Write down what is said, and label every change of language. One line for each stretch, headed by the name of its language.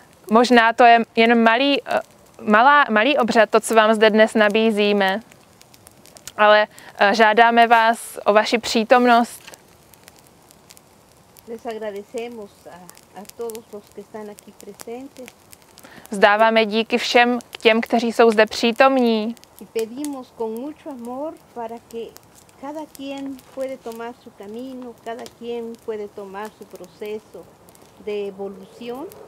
Czech: Možná to je jen malý obřad, to, co vám zde dnes nabízíme. Ale žádáme vás o vaši přítomnost.
Spanish: Les agradecemos a todos los que están aquí presentes.
Czech: Vzdáváme díky všem těm, kteří jsou zde přítomní.
Spanish: Y pedimos con mucho amor para que cada quien puede tomar su camino, cada quien puede tomar su proceso de evolución.